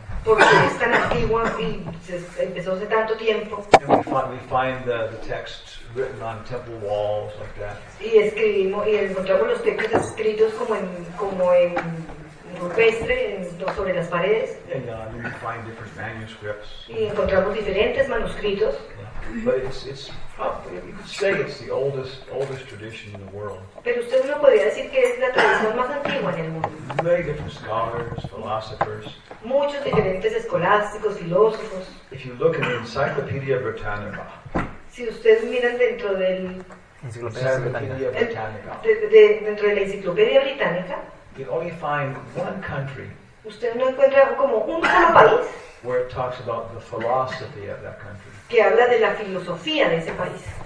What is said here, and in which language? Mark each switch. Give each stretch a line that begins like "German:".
Spanish: porque es tan antigua y se empezó hace tanto tiempo.
English: And we find the text written on temple walls like that.
Spanish: Y escribimos y encontramos los textos escritos como en rupestre sobre las paredes.
English: And we find different manuscripts.
Spanish: Y encontramos diferentes manuscritos.
English: But it's probably, you could say it's the oldest tradition in the world.
Spanish: Pero usted no podría decir que es la tradición más antigua en el mundo.
English: Many different scholars, philosophers.
Spanish: Muchos diferentes escolásticos, filósofos.
English: If you look in the Encyclopedia Britannica.
Spanish: Si ustedes miran dentro del
English: Encyclopedia Britannica.
Spanish: Dentro de la Enciclopedia Británica.
English: You only find one country.
Spanish: Usted no encuentra como un solo país.
English: Where it talks about the philosophy of that country.
Spanish: Que habla de la filosofía de ese país.